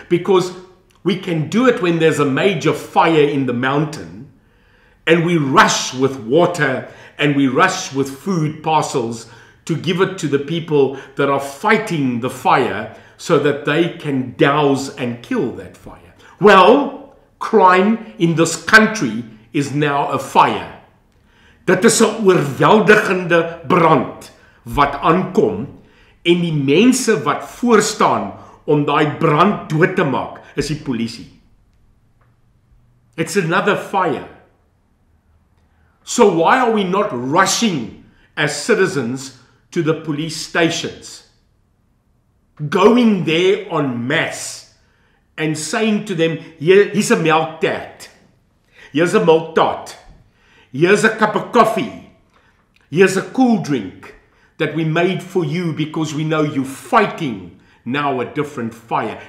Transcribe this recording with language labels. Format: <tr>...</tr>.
<en>Because we can do it when there's a major fire in the mountain, and we rush with water and we rush with food parcels to give it to the people that are fighting the fire so that they can douse and kill that fire. Well, crime in this country is now a fire.</en> <af>Dit is 'n oorweldigende brand wat aankom, en die mense wat voor staan om daai brand dood te maak is die polisie.</af> <en>It's another fire. So why are we not rushing as citizens to the police stations, going there en masse and saying to them, here's a melk tart, here's a milk tart, here's a cup of coffee, here's a cool drink that we made for you because we know you're fighting now a different fire.</en>